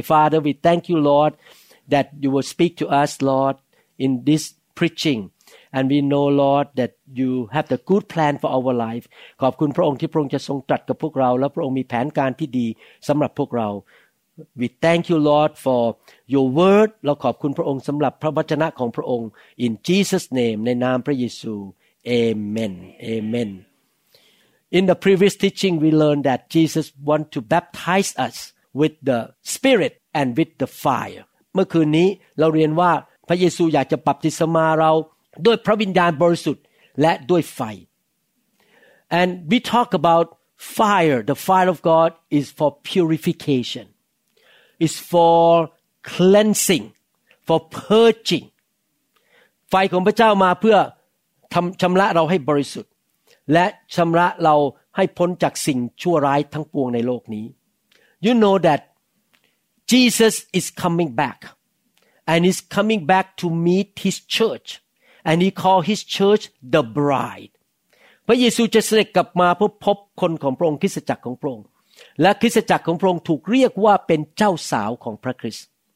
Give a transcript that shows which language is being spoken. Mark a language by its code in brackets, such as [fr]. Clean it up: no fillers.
[en] Father, we thank you, Lord, that you will speak to us, Lord, in this preaching. And we know, Lord, that you have the good plan for our life. [th] ขอบคุณพระองค์ที่พระองค์จะทรงตรัสกับพวกเราและพระองค์มีแผนการที่ดีสำหรับพวกเรา [en] We thank you, Lord, for your word. [th] เราขอบคุณพระองค์สำหรับพระวจนะของพระองค์ [en] In Jesus' name, [th] ในนามพระเยซู Amen. [en] Amen. In the previous teaching, we learned that Jesus wants to baptize us with the Spirit and with the fire. [th] เมื่อคืนนี้เราเรียนว่าพระเยซูอยากจะบัพติศมาเราด้วยพระวิญญาณบริสุทธิ์และด้วยไฟ [en] And we talk about fire. The fire of God is for purification. It's for cleansing, for purging. [th] ไฟของพระเจ้ามาเพื่อชำระเราให้บริสุทธิ์และชำระเราให้พ้นจากสิ่งชั่วร้ายทั้งปวงในโลกนี้ [en] You know that Jesus is coming back and he's coming back to meet his church and he called his church the bride [th] พระเยซูจะเสด็จกลับมาเพื่อพบคนของพระองค์คริสตจักรของพระองค์และคริสตจักรของพระองค์ถูกเรียกว่าเป็นเจ้าสาวของพระคริสต์